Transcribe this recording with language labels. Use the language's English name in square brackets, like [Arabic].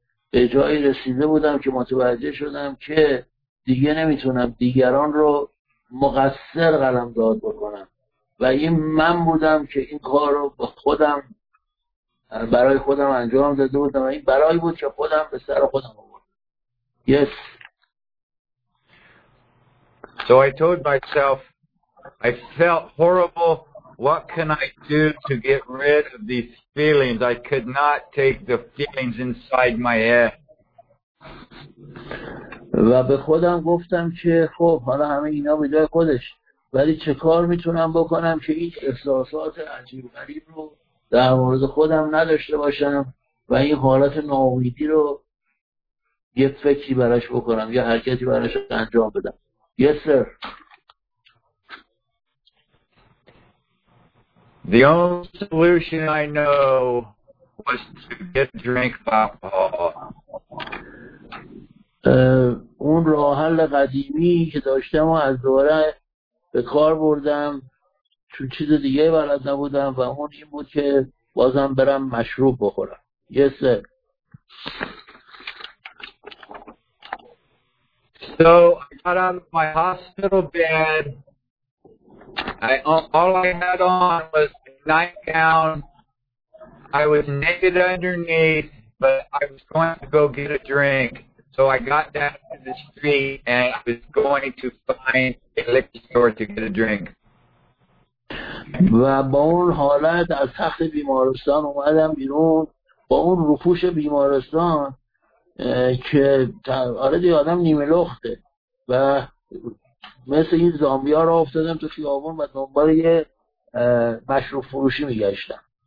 [Persian] به جایی رسیده بودم که متوجه شدم که دیگه نمیتونم دیگران رو مقصر قلمداد بکنم. و این من بودم که این کار رو به خودم برای خودم انجام داده بودم. این بلایی بود که خودم به سر خودم آوردم. [English] Yes. So I told myself, I felt horrible. What can I do to get rid of these feelings? I could not take the feelings inside my head. [Persian] و به خودم گفتم که خب حالا همه اینا به جای خودش، ولی چه کار میتونم بکنم که این احساسات عجیب غریب رو در مورد خودم نداشته باشم و این حالت ناامیدی رو یه فکری براش بکنم، یه حرکتی براش انجام بدم. [English] Yes, sir. The only solution I know was to get drink alcohol. [Persian] اون راه حل قدیمی که داشتم و از دوره به کار بردم چون چیز دیگه بلد نبودم و اون این بود که بازم برم مشروب بخورم. [English] Yes, sir. So I got out of my hospital bed. All I had on was a nightgown. I was naked underneath, but I was going to go get a drink. So I got down to the street and I was going to find a liquor store to get a drink. [Persian] و با اون حالت از تخت بیمارستان اومدم بیرون با اون روپوش بیمارستان که آره دیگه آدم نیمه لخته و مثل این زامبیا را افتادم تو خیابون و دنبال یه مشروب فروشی میگشتم.